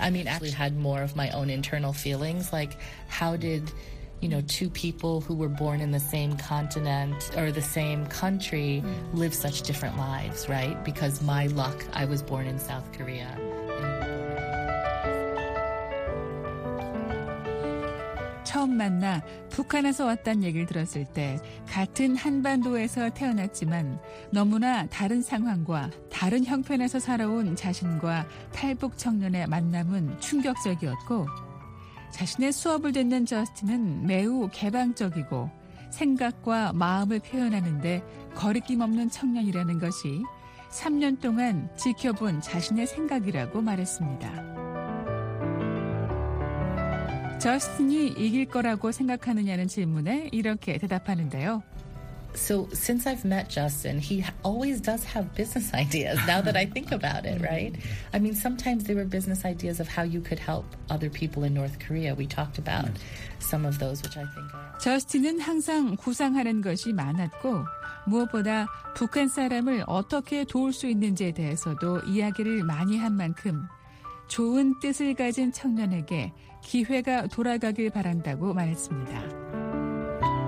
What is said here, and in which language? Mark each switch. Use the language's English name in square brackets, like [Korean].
[English] I mean, actually had more of my own internal feelings, like how did... You know, two people who were born in the same continent or the same country live such different lives, right? Because my luck, I was born in South Korea. [Korean] 처음 만나 북한에서 왔단 얘기를 들었을 때 같은 한반도에서 태어났지만 너무나 다른 상황과 다른 형편에서 살아온 자신과 탈북 청년의 만남은 충격적이었고 자신의 수업을 듣는 저스틴은 매우 개방적이고 생각과 마음을 표현하는데 거리낌 없는 청년이라는 것이 3년 동안 지켜본 자신의 생각이라고 말했습니다. 저스틴이 이길 거라고 생각하느냐는 질문에 이렇게 대답하는데요. [English] So since I've met Justin, he always does have business ideas, now that I think about it, right? I mean, sometimes there were business ideas of how you could help other people in North Korea. We talked about some of those, which I think are... [Korean] Justin은 항상 구상하는 것이 많았고, 무엇보다 북한 사람을 어떻게 도울 수 있는지에 대해서도 이야기를 많이 한 만큼 좋은 뜻을 가진 청년에게 기회가 돌아가길 바란다고 말했습니다.